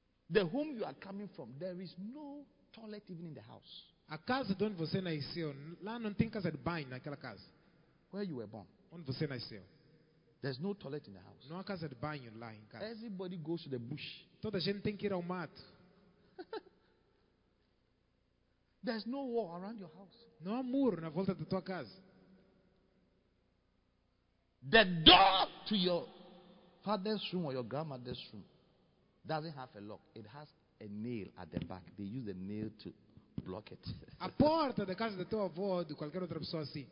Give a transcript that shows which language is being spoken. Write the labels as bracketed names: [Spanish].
[English] The home you are coming from, there is no toilet even in the house. [Portuguese] A casa de onde você nasceu, lá não tem casa de banho naquela casa. [English] Where you were born. [Portuguese] Onde você nasceu. [English] There's no toilet in the house. [Portuguese] Não há casa de banho lá em casa. [English] Everybody goes to the bush. [Portuguese] Toda a gente tem que ir ao mato. [English] There's no wall around your house. [Portuguese] Não há muro na volta da tua casa. [English] The door to your father's room or your grandmother's room doesn't have a lock. It has a nail at the back. They use the nail to block it. [Portuguese] A porta da casa da tua avó ou de qualquer outra pessoa assim.